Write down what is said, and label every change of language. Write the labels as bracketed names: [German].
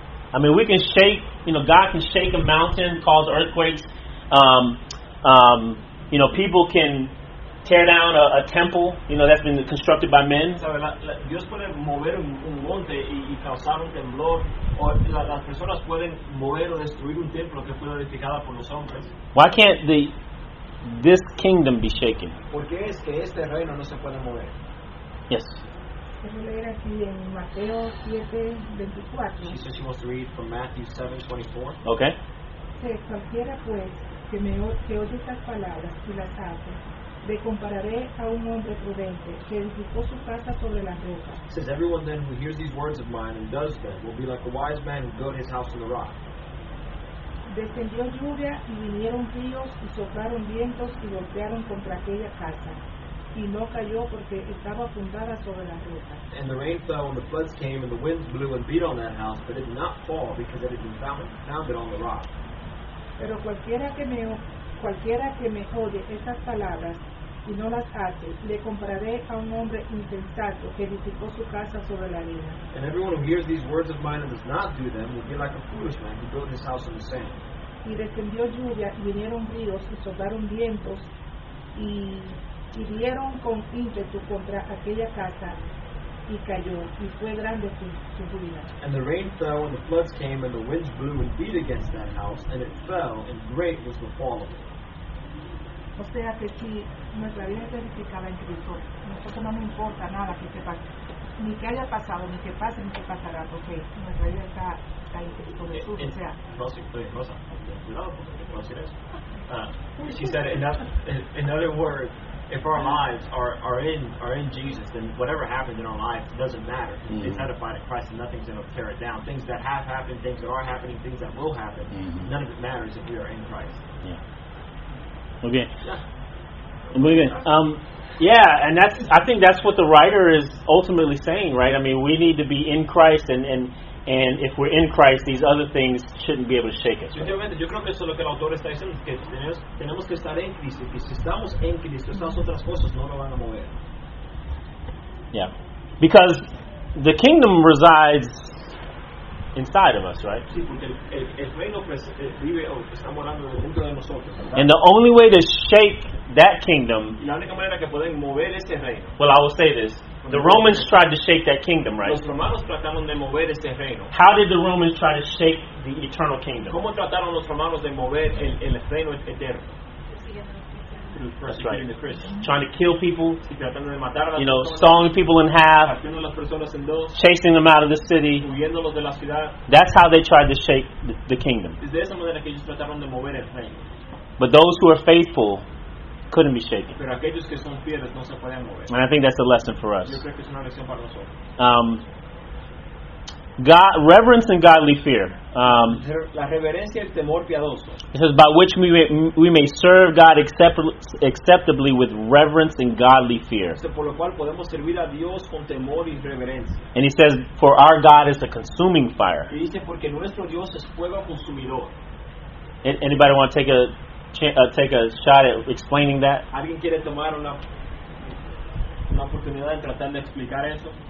[English] I mean, we can shake, you know, God can shake a mountain, cause earthquakes. You know, people can tear down a temple, you know, that's been constructed by men. [Spanish] Dios puede mover un monte y causar un temblor, o las personas pueden mover o destruir un templo que fue edificado por los hombres. [English] Why can't this kingdom be shaken? [Spanish] ¿Por qué es que este reino no se puede mover? [English] Yes. [Spanish] Quiero leer aquí en Mateo 7:24. [English] She says she wants to read from Matthew 7:24. Okay. [Spanish] Que cualquiera pues que oye estas palabras y las hace, le compararé a un hombre prudente que edificó su casa sobre la roca. [English] It says everyone then who hears these words of mine and does them will be like a wise man who built his house on the rock. [Spanish] Descendió lluvia y vinieron ríos y soplaron vientos y golpearon contra aquella casa. Y no cayó porque estaba fundada sobre la roca. [English] And the rain fell and the floods came and the winds blew and beat on that house, but it did not fall because it had been founded on the rock. [Spanish] Pero cualquiera que me oye estas palabras y no las hace, le compararé a un hombre insensato que edificó su casa sobre la arena. [English] And everyone who hears these words of mine and does not do them will be like a foolish man who built his house on the sand. [Spanish] Y descendió lluvia, y vinieron ríos, y soplaron vientos, y hirieron con ímpetu contra aquella casa, y cayó, y fue grande su ruina. [English] And the rain fell, and the floods came, and the winds blew and beat against that house, and it fell, and great was the fall of it. [Spanish] O sea que si nuestra vida es edificada en Cristo, nosotros no nos importa nada que se pase, ni que haya pasado, ni que pase, ni que pasará, porque nuestra vida está en Cristo Jesús. O sea, Rosa, cuidado, porque puedo decir eso. [English] She said, in other words, if our lives are in Jesus, then whatever happens in our life doesn't matter. Mm-hmm. It's edified in Christ, and nothing's going to tear it down. Things that have happened, things that are happening, things that will happen, mm-hmm. none of it matters if we are in Christ. Yeah. Okay. Moving. And that's. I think that's what the writer is ultimately saying, right? I mean, we need to be in Christ, and And if we're in Christ, these other things shouldn't be able to shake us. Right? [Spanish] Yo creo que eso es lo que el autor está diciendo, que tenemos que estar en Cristo, que si estamos en Cristo, esas otras cosas no lo van a mover. [English] Yeah, because the kingdom resides inside of us, right? [Spanish] Sí, porque el reino vive o está morando dentro de nosotros. [English] And the only way to shake that kingdom. [Spanish] La única manera que pueden mover ese reino. [English] Well, I will say this. The Romans tried to shake that kingdom, right? [Spanish] Los romanos trataron de mover ese reino. [English] How did the Romans try to shake the eternal kingdom? [Spanish] ¿Cómo trataron los romanos de mover el reino eterno? [English] Right. Trying to kill people, you know, sawing people in half, chasing them out of the city. That's how they tried to shake the kingdom. But those who are faithful couldn't be shaken. And I think that's a lesson for us. God, reverence and godly fear. [Spanish] La reverencia y el temor piadoso. [English] It says, by which we may serve God acceptably with reverence and godly fear. [Spanish] Por lo cual podemos servir a Dios con temor y reverencia. [English] And he says, for our God is a consuming fire. [Spanish] Y dice, porque nuestro Dios es fuego consumidor. [English] Anybody want to take a shot at explaining that? [Spanish] ¿Alguien quiere tomar una oportunidad de tratar de explicar eso?